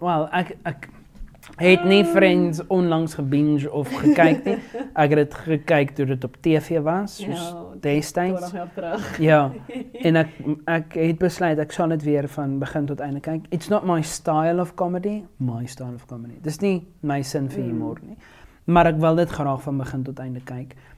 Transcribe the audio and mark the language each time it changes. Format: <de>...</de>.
<af>Well, ek het nie Friends onlangs gebinge of gekyk nie. Ek het gekyk toe dit op TV was, soos destijds. Ja, en ek het besluit, ek sal het weer van begin tot einde kyk.</af> <en>It's not my style of comedy, my style of comedy.</en> <af>Dis nie my sin vir humor nie. Maar ek wil dit graag van begin tot einde kyk.</af>